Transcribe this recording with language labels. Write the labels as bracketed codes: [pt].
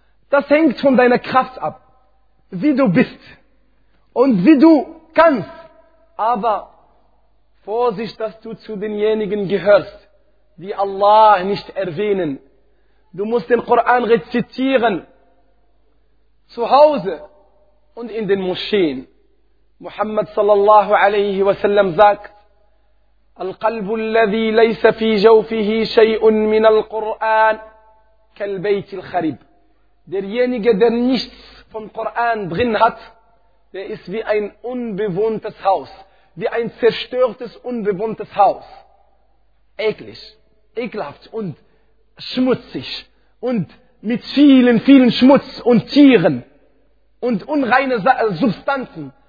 [de] Das hängt von deiner Kraft ab. Wie du bist. Und wie du kannst. Aber Vorsicht, dass du zu denjenigen gehörst, die Allah nicht erwähnen. Du musst den Koran rezitieren. Zu Hause und in den Moscheen. Muhammad sallallahu alaihi wasallam sagt, [ar] القلب الذي ليس في جوفه شيء من القرآن كالبيت الخريب. [de] Derjenige, der nichts vom Koran drin hat, der ist wie ein unbewohntes Haus, wie ein zerstörtes, unbewohntes Haus. Eklig, ekelhaft und schmutzig und mit vielen, vielen Schmutz und Tieren und unreine Substanzen.